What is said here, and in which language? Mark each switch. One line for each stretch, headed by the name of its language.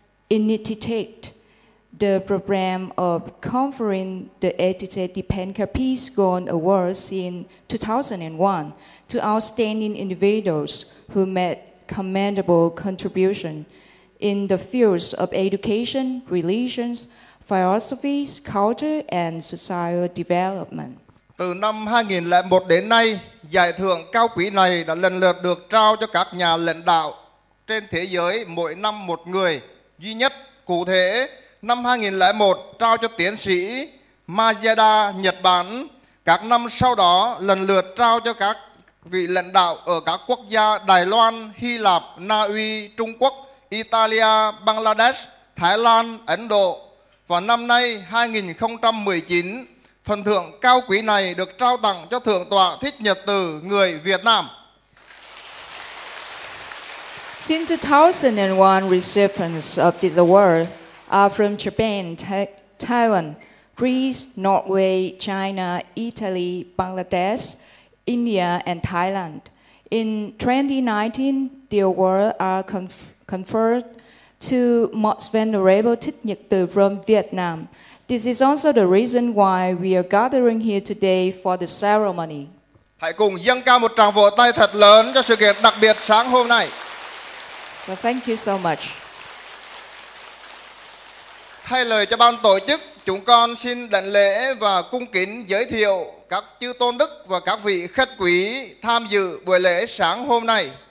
English: initiated the program of conferring the edited Dipankar Peace Gone Awards in 2001 to outstanding individuals who made commendable contribution in the fields of education, religions, philosophies, culture, and social development.
Vietnamese: Từ năm 2001 đến nay, giải thưởng cao quý này đã lần lượt được trao cho các nhà lãnh đạo trên thế giới, mỗi năm một người duy nhất. Cụ thể, năm 2001 trao cho tiến sĩ Majeda, Nhật Bản. Các năm sau đó lần lượt trao cho các vị lãnh đạo ở các quốc gia Đài Loan, Hy Lạp, Na Uy, Trung Quốc, Italia, Bangladesh, Thái Lan, Ấn Độ. Và năm nay 2019, phần thưởng cao quý này được trao tặng cho Thượng tọa Thích Nhật Từ, người Việt Nam.
English: Since 2001, recipients of this award are from Japan, Taiwan, Greece, Norway, China, Italy, Bangladesh, India, and Thailand. In 2019, the award are conferred to Most Venerable Thich Nhật Từ from Vietnam. This is also the reason why we are gathering here today for the ceremony.
Vietnamese: Hãy cùng dâng cao một tràng vỗ tay thật lớn cho sự kiện đặc biệt sáng hôm nay.
English: So thank you so much.
Vietnamese: Thay lời cho ban tổ chức, chúng con xin đảnh lễ và cung kính giới thiệu các chư tôn đức và các vị khách quý tham dự buổi lễ sáng hôm nay.